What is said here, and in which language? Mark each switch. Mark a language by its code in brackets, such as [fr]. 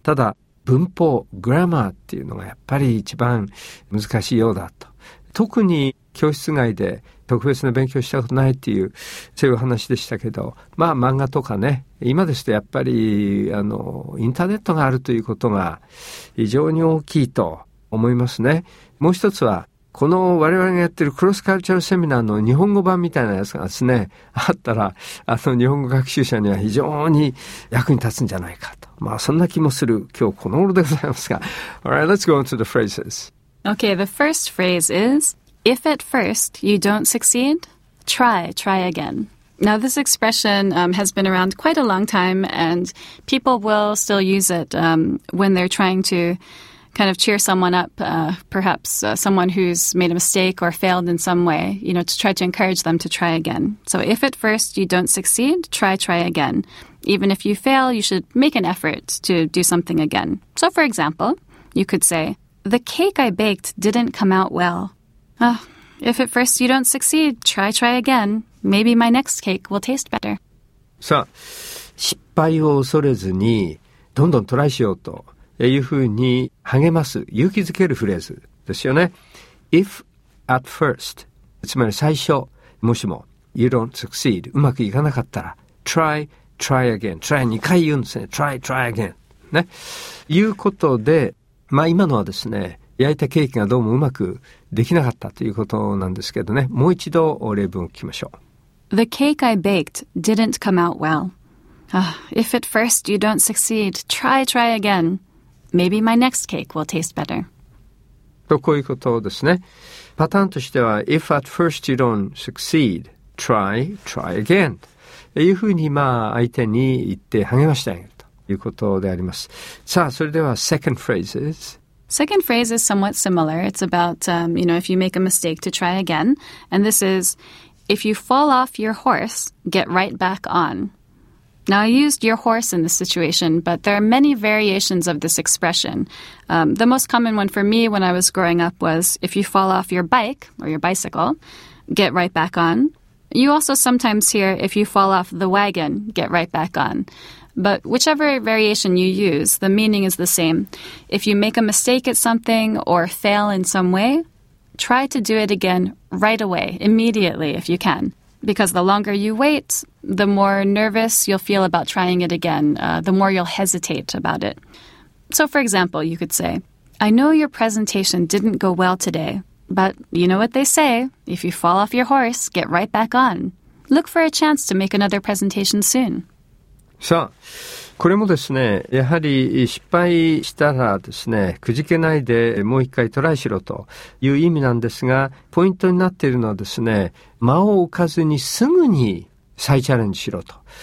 [ja] ただ文法 Grammar っていうのがやっぱり一番難しいようだと、特に教室外で特別な勉強したことないっていう、そういう話でしたけど、まあ漫画とかね、今ですとやっぱりインターネットがあるということが非常に大きいと思いますね。もう一つは、この我々がやってるクロスカルチャルセミナーの日本語版みたいなやつがですね、あったら、日本語学習者には非常に役に立つんじゃないかと。まあそんな気もする今日この頃でございますが。 [en] Alright, let's go on to the phrases. Okay, the first phrase is,If at first you don't succeed, try again. Now, this expression has been around quite a long time, and people will still use it when they're trying to kind of cheer someone up, perhaps someone who's made a mistake or failed in some way, you know, to try to encourage them to try again. So if at first you don't succeed, try again. Even if you fail, you should make an effort to do something again. So, for example, you could say, The cake I baked didn't come out well. Oh, if at first you don't succeed, try again. Maybe my next cake will taste better. [ja] さあ、失敗を恐れずにどんどんトライしようというふうに励ます、勇気づけるフレーズですよね。 [en] If at first, [ja] つまり最初、もしも [en] you don't succeed, [ja] うまくいかなかったら [en] try again. [ja] Try 2回言うんですね。 [en] Try again. [ja] ね。いうことで、まあ今のはですね、焼いたケーキがどうもうまくできなかったということなんですけどね。もう一度例文を聞きましょう。 [en] The cake I baked didn't come out well. If at first you don't succeed, try again. Maybe my next cake will taste better. [ja] とこういうことですね。パターンとしては、 [en] If at first you don't succeed, try again. [ja] というふうにまあ相手に言って励ましてあげるということであります。さあ、それでは [en] second phrase is... Second phrase is somewhat similar. It's about, if you make a mistake to try again. And this is, if you fall off your horse, get right back on. Now, I used your horse in this situation, but there are many variations of this expression. The most common one for me when I was growing up was, if you fall off your bike or your bicycle, get right back on. You also sometimes hear, if you fall off the wagon, get right back on. But whichever variation you use, the meaning is the same. If you make a mistake at something or fail in some way, try to do it again right away, immediately, if you can. Because the longer you wait, the more nervous you'll feel about trying it again, the more you'll hesitate about it. So, for example, you could say, I know your presentation didn't go well today, but you know what they say, if you fall off your horse, get right back on. Look for a chance to make another presentation soon. [ja] さあ、これもですね、やはり失敗したらですね、くじけないでもう一回トライしろという意味なんですが、ポイントになっているのはですね、間を置かずにすぐに再チャレンジしろと。